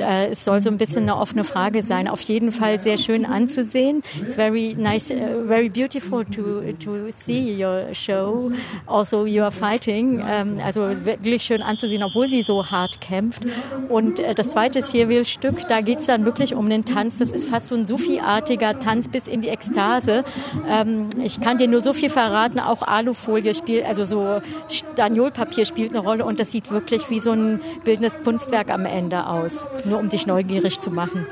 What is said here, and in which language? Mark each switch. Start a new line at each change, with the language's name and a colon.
German: Es soll so ein bisschen eine offene Frage sein. Auf jeden Fall sehr schön anzusehen.
English: It's very nice, very beautiful to see your show. Also your fighting.
German: Also wirklich schön anzusehen, obwohl sie so hart kämpft. Und das zweite Cyril-Stück, da geht es dann wirklich um den Tanz. Das ist fast so ein Sufi-artiger Tanz bis in die Ekstase. Ich kann dir nur so viel verraten, auch Alufolie spielt, also so Staniolpapier spielt eine Rolle, und das sieht wirklich wie so ein bildendes Kunstwerk am Ende aus, nur um dich neugierig zu machen.